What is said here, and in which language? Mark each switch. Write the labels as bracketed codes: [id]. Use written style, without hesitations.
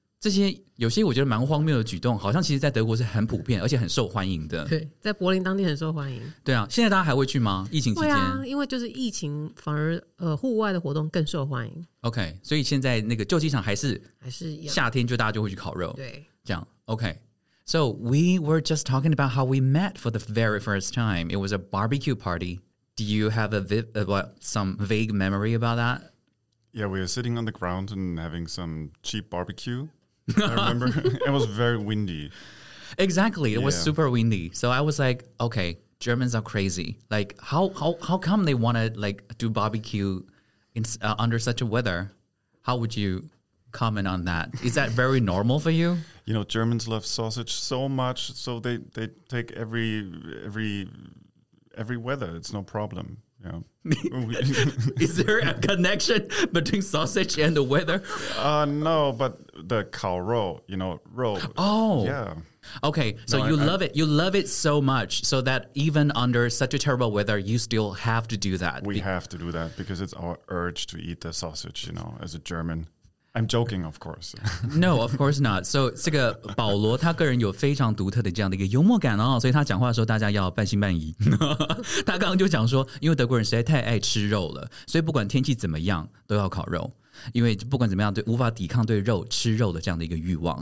[zh] 这些有些我觉得蛮荒谬的举动好像其实在德国是很普遍而且很受欢迎的。对，在柏林当地很受欢迎。对啊，现在大家还会去吗？疫情期间。对啊，因为就是疫情反而户外的活动更受欢迎。 OK， 所以现在那个旧机场还是夏天就大家就会去烤肉。对，这样。 [en] OK， So we were just talking about how we met for the very first time. It was a barbecue party. Do you have some vague memory about that? Yeah, we were sitting on the ground and having some cheap barbecue. I remember it was very windy. Exactly. It was super windy. So I was like, okay, Germans are crazy. Like, how come they want to, like, do barbecue under such a weather? How would you comment on that? Is that very normal for you? You know, Germans love sausage so much. So they take every weather. It's no problem. You know? Is there a connection between sausage and the weather? No, but... The 烤肉, you know, roll. Oh. Yeah. Okay, so no, you love it. You love it so much so that even under such a terrible weather, you still have to do that. We have to do that because it's our urge to eat the sausage, you know, as a German. I'm joking, of course. No, of course not. [zh] So, 这个保罗他个人有非常独特的这样的一个幽默感哦，所以他讲话的时候大家要半信半疑。他刚刚就讲说，因为德国人实在太爱吃肉了，所以不管天气怎么样都要烤肉。因为不管怎么样，对无法抵抗对肉吃肉的这样的一个欲望。